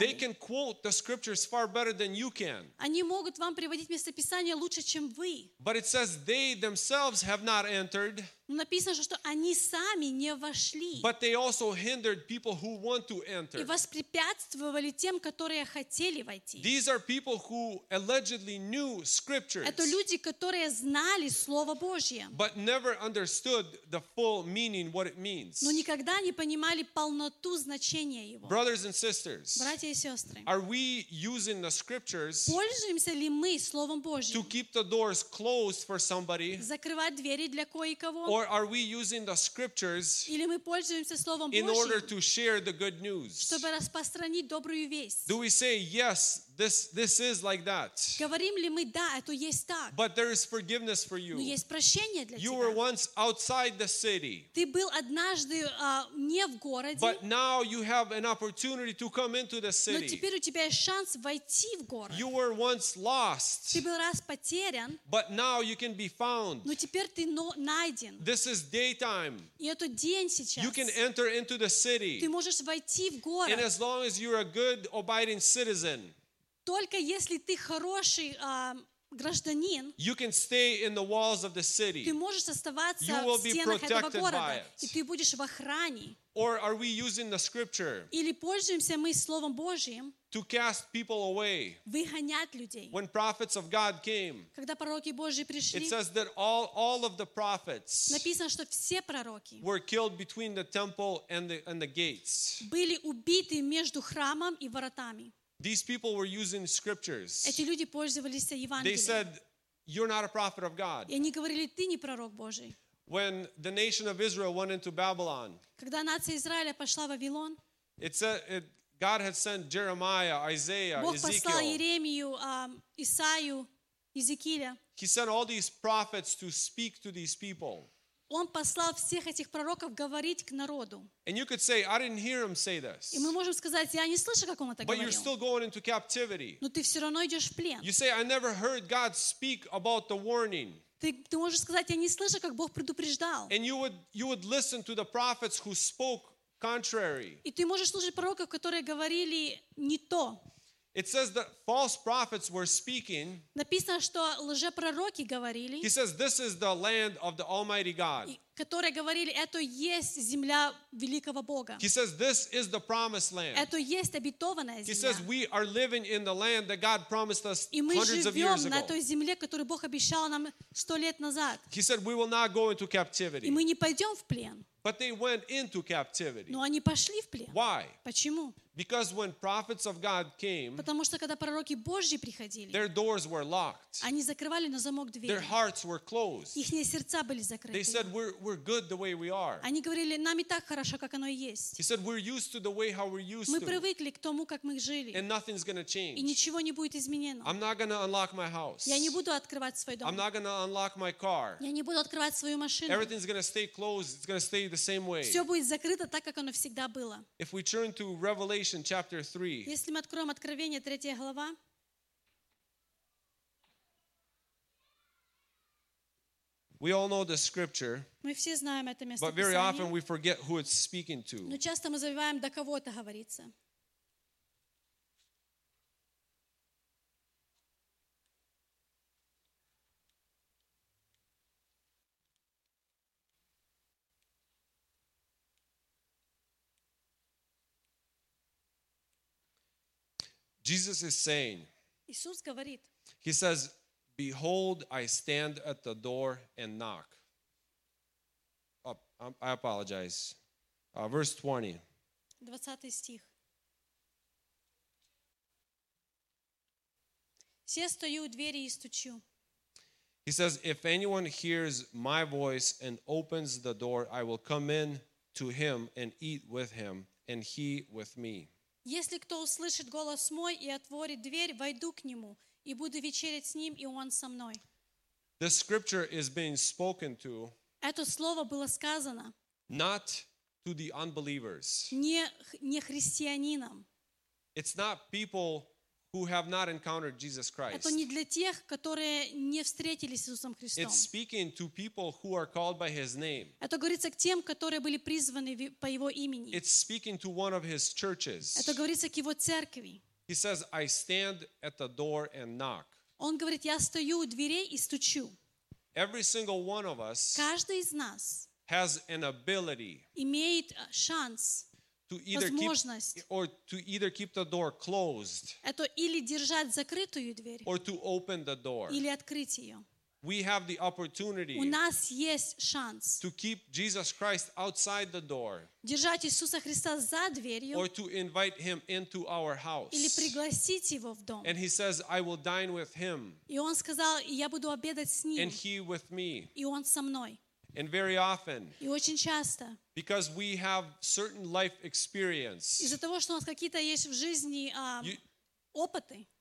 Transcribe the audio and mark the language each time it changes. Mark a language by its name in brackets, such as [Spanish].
[English] They can quote the scriptures far better than you can. [Russian] Они могут вам приводить местописание лучше, чем вы. [English] But it says they themselves have not entered. [Russian] Написано, что они сами не вошли. [English] But they also hindered people who want to enter. [Russian] И воспрепятствовали тем, которые хотели войти. [English] These are people who allegedly knew scriptures. [Russian] Это люди, которые знали Слово Божье. [English] But never understood the full meaning, what it means. [Russian] Но никогда не понимали полноту значения его. [English] Brothers and sisters. [Russian] Братья и сестры. [English] Are we using the scriptures? [Russian] Пользуемся ли мы Словом Божьим? [English] To keep the doors closed for somebody. [Russian] Закрывать двери для кое-кого. [English] Or are we using the scriptures in order to share the good news? [Russian] Чтобы распространить добрую весть? [English] Do we say yes? This is like that. [Russian] Говорим ли мы да, это есть так. [English] But there is forgiveness for you. [Russian] Но есть прощение для тебя. [English] You were once outside the city. [Russian] Ты был однажды не в городе. [English] But now you have an opportunity to come into the city. [Russian] Но теперь у тебя есть шанс войти в город. [English] You were once lost. [Russian] Ты был раз потерян. [English] But now you can be found. [Russian] Но теперь ты найден. [English] This is daytime. [Russian] И это день сейчас. [English] You can enter into the city. [Russian] Ты можешь войти в город. [English] And as long as you're a good, abiding citizen. [Russian] Только если ты хороший гражданин, [English] you can stay in the walls of the city. [Russian] Ты можешь оставаться в стенах этого города, и ты будешь в охране. [English] Or are we using the scripture? [Russian] Или пользуемся мы Словом Божьим? [English] To cast people away. [Russian] Выгонять людей. [English] When prophets of God came. [Russian] Когда пророки Божьи пришли. [English] It says that all of the prophets. [Russian] Написано, что все пророки. [English] Were killed between the temple and the gates. [Russian] Были убиты между храмом и воротами. [English] These people were using scriptures. [Russian] Эти люди пользовались Евангелием. [English] They said, "You're not a prophet of God." [Russian] И они говорили, ты не пророк Божий. [English] When the nation of Israel went into Babylon. [Russian] Когда нация Израиля пошла в Вавилон. [English] God had sent Jeremiah, Isaiah, [Russian] Бог [English] Ezekiel. [Russian] Бог послал Иеремию, Исаию, Иезекииля. [English] He sent all these prophets to speak to these people. [Russian] Он послал всех этих пророков говорить к народу. [English] And you could say, I didn't hear him say this. [Russian] И мы можем сказать, я не слышу, как он это говорил. [English] But you're still going into captivity. [Russian] Но ты все равно идешь в плен. [English] You say, I never heard God speak about the warning. [Russian] Ты можешь сказать, я не слышу, как Бог предупреждал. [English] And you would listen to the prophets who spoke contrary. [Russian] И ты можешь слушать пророков, которые говорили не то. [English] It says that false prophets were speaking. [Russian] Написано, что лжепророки говорили. [English] He says, "This is the land of the Almighty God." [Russian] Которые говорили, это есть земля великого Бога. [English] He says, "This is the promised land." [Russian] Это есть обетованная земля. [English] He says, "We are living in the land that God promised us hundreds of years ago." [Russian] И мы живем на той земле, которую Бог обещал нам 100 лет назад. [English] He said, "We will not go into captivity." [Russian] И мы не пойдем в плен. [English] But they went into captivity. [Russian] Но они пошли в плен. [English] Why? [Russian] Почему? [English] Because when prophets of God came, [Russian] потому что когда пророки Божьи приходили, [English] their doors were locked. [Russian] Они закрывали на замок двери. [English] Their hearts were closed. [Russian] Ихние сердца были закрыты. [English] They said we're good the way we are. [Russian] Они говорили, нам и так хорошо, как оно есть. [English] He said we're used to the way how we're used to. [Russian] Мы привыкли к тому, как мы жили. [English] And nothing's gonna change. [Russian] И ничего не будет изменено. [English] I'm not gonna unlock my house. [Russian] Я не буду открывать свой дом. [English] I'm not gonna unlock my car. [Russian] Я не буду открывать свою машину. [English] Everything's gonna stay closed. It's gonna stay the same way. [Russian] Все будет закрыто так, как оно всегда было. [English] If we turn to Revelation. Chapter 3. [Russian] Если мы откроем Откровение, 3 глава. [English] We all know the scripture. [Russian] Мы все знаем это место. [English] But very often we forget who it's speaking to. [Russian] Но часто мы забываем, до кого это говорится. [English] Jesus is saying, [Russian] Иисус говорит, [English] He says, Behold, I stand at the door and knock. Oh, I apologize. Verse 20. [Russian] 20 стих. Все стою у двери и стучу. [English] He says, If anyone hears my voice and opens the door, I will come in to him and eat with him, and he with me. [Russian] Если кто услышит голос мой и отворит дверь, войду к нему и буду вечерять с ним, и он со мной. [English] The scripture is being spoken to. [Russian] Это слово было сказано. [English] Not to the unbelievers. [Russian] Не христианинам. [English] It's not people who have not encountered Jesus Christ. [Russian] Это не для тех, которые не встретились с Иисусом Христом. [English] It's speaking to people who are called by His name. [Russian] Это говорится к тем, которые были призваны по Его имени. [English] It's speaking to one of His churches. [Russian] Это говорится к Его церкви. [English] He says, "I stand at the door and knock." [Russian] Он говорит, я стою у дверей и стучу. [English] Every single one of us [Russian] каждый из нас [English] has an ability [Russian] имеет шанс [English] to either [Russian] возможность [English] keep, or to either keep the door closed [Russian] это или держать закрытую дверь [English] or to open the door [Russian] или открыть ее. [English] We have the opportunity [Russian] у нас есть шанс [English] to keep Jesus Christ outside the door [Russian] держать Иисуса Христа за дверью [English] or to invite him into our house [Russian] или пригласить его в дом. [English] And he says, I will dine with him [Russian] и он сказал, я буду обедать с ним [English] and he with me [Russian] и он со мной. [English] And very often, [Russian] и очень часто, [English] because we have certain life experience, [Russian] из-за того, что у нас какие-то есть в жизни опыты,